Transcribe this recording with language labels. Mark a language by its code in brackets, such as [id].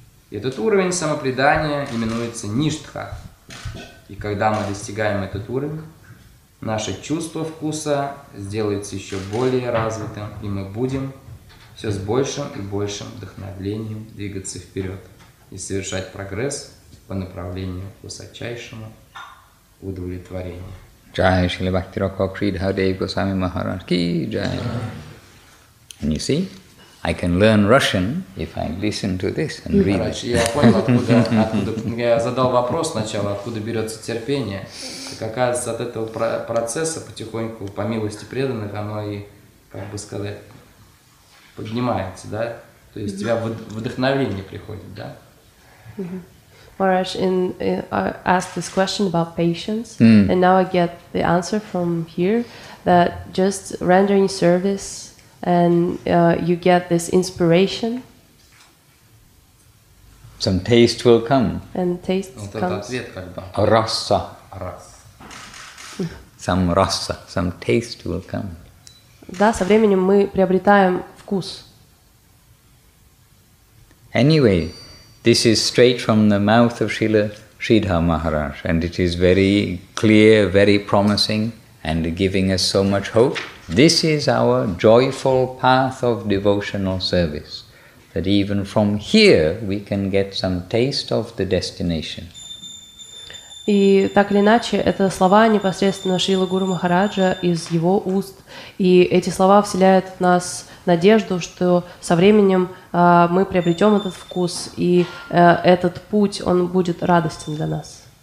[ru] Этот уровень самопредания именуется ништха. И когда мы достигаем этот уровень, наше чувство вкуса сделается еще более развитым, и мы будем все с большим и большим вдохновлением двигаться вперед и совершать прогресс по направлению к высочайшему удовлетворению. [hi] Jai Srila Bhakti Rakha Kridhar Dev Goswami Maharaj Ki Jai. [en] And you see, I can learn Russian if I listen to this and read it. [ru] Я понял, откуда я задал вопрос сначала, откуда берется терпение. Так оказывается, от этого процесса потихоньку, по милости преданных, оно и, как бы сказать, поднимается, да? То есть у тебя вдохновение приходит, да? [en] Maharaj asked this question about patience, and now I get the answer from here that just rendering service and you get this inspiration. Some taste will come. And taste comes. Rasa. Rasa. Some rasa, some taste will come. [ru] Да, со временем мы приобретаем вкус. [en] Anyway, this is straight from the mouth of Srila Sridhar Maharaj, and it is very clear, very promising, and giving us so much hope. This is our joyful path of devotional service, that even from here we can get some taste of the destination. [ru] И так или иначе, это слова непосредственно Шрилы Гуру Махараджа из его уст, и эти слова вселяют в нас надежду, что со временем мы приобретем этот вкус, и этот путь, он будет радостен для нас.